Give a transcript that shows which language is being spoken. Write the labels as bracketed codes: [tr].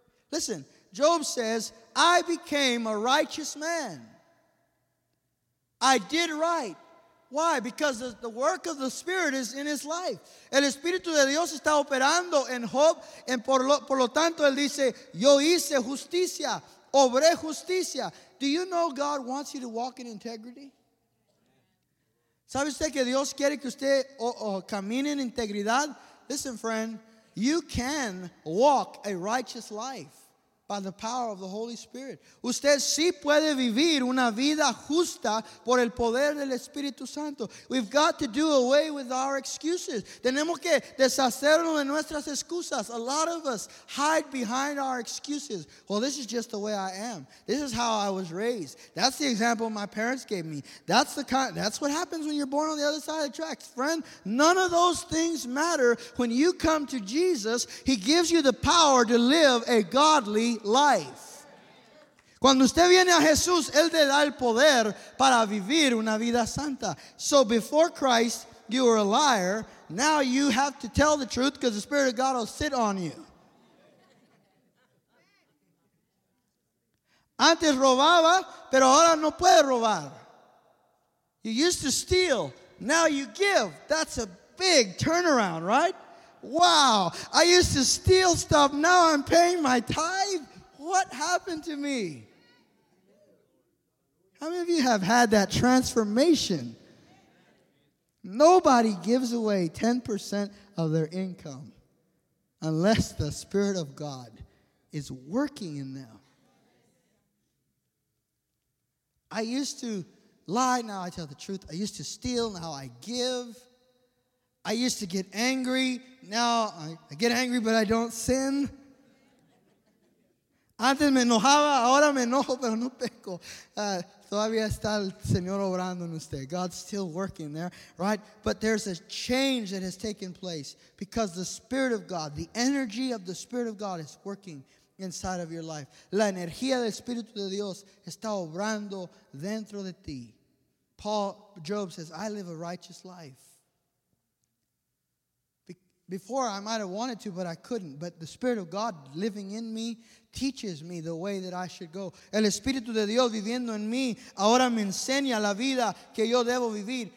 [en] Listen, Job says, I became a righteous man. I did right. Why? Because the work of the Spirit is in his life. [es] El Espíritu de Dios está operando en Job. [en] And [es] por lo tanto, él dice, yo hice justicia, obré justicia. [en] Do you know God wants you to walk in integrity? [es] ¿Sabe usted que Dios quiere que usted camine en integridad? [en] Listen, friend, you can walk a righteous life. By the power of the Holy Spirit. [es] Usted sí puede vivir una vida justa por el poder del Espíritu Santo. [en] We've got to do away with our excuses. [es] Tenemos que deshacernos de nuestras excusas. [en] A lot of us hide behind our excuses. Well, this is just the way I am. This is how I was raised. That's the example my parents gave me. That's what happens when you're born on the other side of the tracks. Friend, none of those things matter. When you come to Jesus, He gives you the power to live a godly life. [es] Cuando usted viene a Jesús, Él te da el poder para vivir una vida santa. [en] So before Christ, you were a liar. Now you have to tell the truth because the Spirit of God will sit on you. [es] Antes robaba, pero ahora no puede robar. [en] You used to steal, now you give. That's a big turnaround, right? Wow, I used to steal stuff, now I'm paying my tithe. What happened to me? How many of you have had that transformation? Nobody gives away 10% of their income unless the Spirit of God is working in them. I used to lie, now I tell the truth. I used to steal, now I give. I used to get angry, now I get angry, but I don't sin. [es] Antes me enojaba, ahora me enojo, pero no peco. Todavía está el Señor obrando en usted. [en] God's still working there, right? But there's a change that has taken place because the Spirit of God, the energy of the Spirit of God is working inside of your life. [es] La energía del Espíritu de Dios está obrando dentro de ti. [en] Job says, I live a righteous life. Before, I might have wanted to, but I couldn't. But the Spirit of God living in me teaches me the way that I should go. [es] El Espíritu de Dios viviendo en mí ahora me enseña la vida que yo debo vivir.